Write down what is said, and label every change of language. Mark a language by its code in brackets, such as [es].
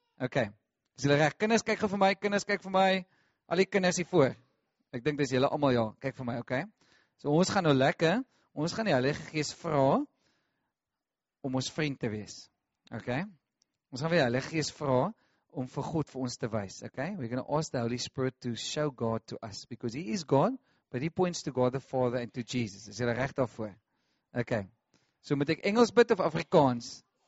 [af] OK. Is julle reg? Kinders kyk vir my, kinders kyk vir my. Al die kinders hier voor. Ek dink dis julle almal ja, kyk vir my, OK. So ons gaan nou lekker. Ons gaan die Heilige Gees vra om ons vriend te wees. OK. Ons gaan vir die Heilige Gees vra om vir God vir ons te wys, OK? [en] We're going to ask the Holy Spirit to show God to us because he is God, but he points to God the Father and to Jesus. [af] Is julle reg daarvoor? OK. So moet ek Engels bid of Afrikaans?